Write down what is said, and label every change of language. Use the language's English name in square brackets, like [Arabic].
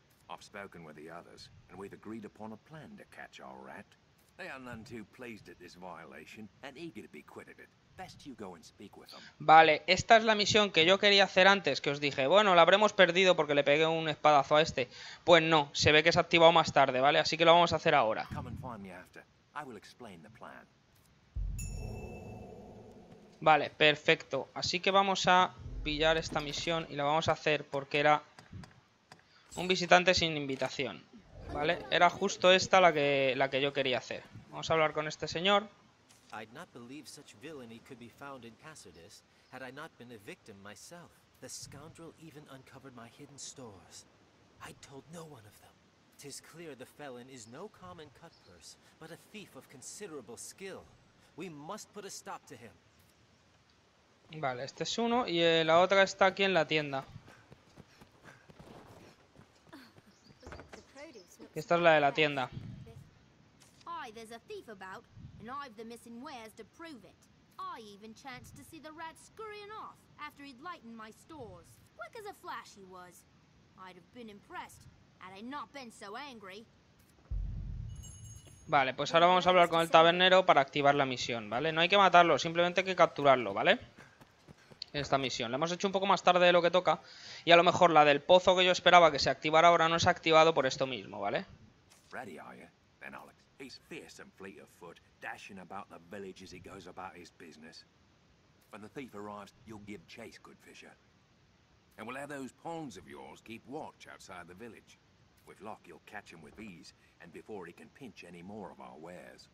[English] I've spoken with the others, and we've agreed upon a plan to catch our rat. They are none too pleased at this violation, and eager to be quit of it. Best you go and speak with them. [Spanish] Vale, esta es la misión que yo quería hacer antes, que os dije, bueno, la habremos perdido porque le pegué un espadazo a este. Pues no, se ve que se ha activado más tarde, ¿vale? Así que lo vamos a hacer ahora. [English] Come and find me after. I will explain the plan. [Spanish] Vale, perfecto. Así que vamos a pillar esta misión y la vamos a hacer porque era... un visitante sin invitación, ¿vale? Era justo esta la que yo quería hacer. Vamos a hablar con este señor. [English] I'd not believe such villainy could be found in Cassadis had I not been a victim myself. The scoundrel even uncovered my hidden stores. I told no one of them. 'Tis clear the felon is no common cutpurse, but a thief of considerable skill. We must put a stop to him. [Spanish] Vale, este es uno y la otra está aquí en la tienda. Esta es la de la tienda. [English] Hi, there's a thief about, and I've the missing wares to prove it. I even chanced to see the rat scurrying off after he'd lightened my stores. Quick as a flash he was. I'd have been impressed had I not been so angry. [Spanish] Vale, pues ahora vamos a hablar con el tabernero para activar la misión, ¿vale? No hay que matarlo, simplemente hay que capturarlo, ¿vale? Esta misión. La hemos hecho un poco más tarde de lo que toca. Y a lo mejor la del pozo que yo esperaba que se activara ahora no se ha activado por esto mismo, ¿vale? [English] Ready, are you? Then Alex. He's fierce and fleet of foot, dashing about the village as he goes about his business. When the thief arrives, you'll give chase, good fisher. And we'll have those pawns of yours keep watch outside the village. With Locke, you'll catch him with ease, and before he can pinch any more of our wares.